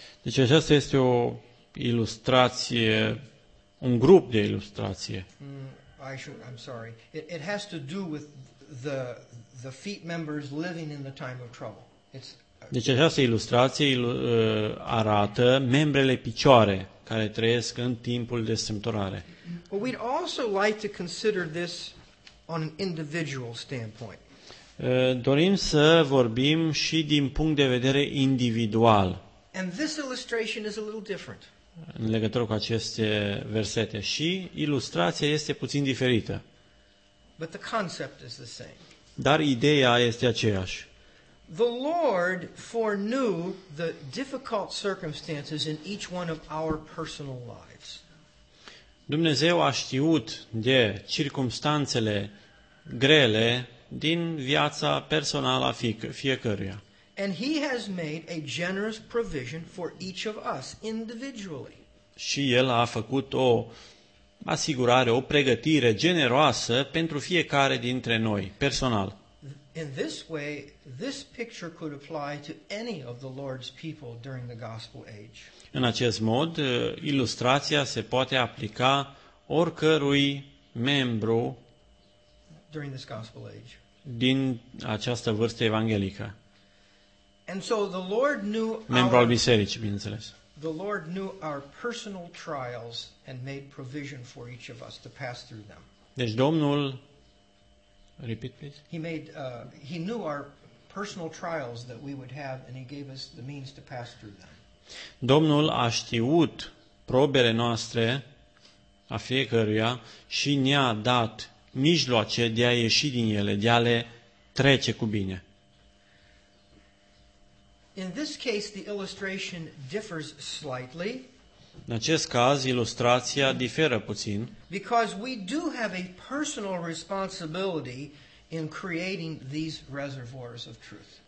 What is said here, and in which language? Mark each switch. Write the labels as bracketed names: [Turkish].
[Romanian] Deci aceasta este o ilustrație, un grup de ilustrație. [English] I'm sorry. It has to do with the feet members living in the time of trouble. [Romanian] Deci această ilustrație arată membrele picioare care trăiesc în timpul de strâmtorare. [English] But we'd also like to consider this on an individual standpoint. [Romanian] Dorim să vorbim și din punct de vedere individual. [English] And this illustration is a little different. [Romanian] În legătură cu aceste versete și ilustrația este puțin diferită. [English] But the concept is the same. [Romanian] Dar ideea este aceeași. [English] The Lord foreknew the difficult circumstances in each one of our personal lives. [Romanian] Dumnezeu a știut de circumstanțele grele din viața personală a fiecăruia. [English] And he has made a generous provision for each of us individually. [Romanian] Și el a făcut o asigurare, o pregătire generoasă pentru fiecare dintre noi, personal. [English] In this way, this picture could apply to any of the Lord's people during the gospel age. [Romanian] În acest mod, ilustrația se poate aplica oricărui membru [English] during this gospel age. [Romanian] Din această vârstă evanghelică. [English] And so the Lord knew [Romanian] membru al bisericii, bineînțeles. [English] The Lord knew our personal trials and made provision for each of us to pass through them. [Romanian] Deci Domnul, [English] repeat please. He knew our personal trials that we would have and he gave us the means to pass through them. [Romanian] Domnul a știut probele noastre a fiecăruia și ne-a dat mijloace de a ieși din ele, de a le trece cu bine. [English] In this case, the illustration differs slightly. [Romanian] În acest caz, ilustrația diferă puțin. [English] Because we do have a personal responsibility in creating these reservoirs of truth.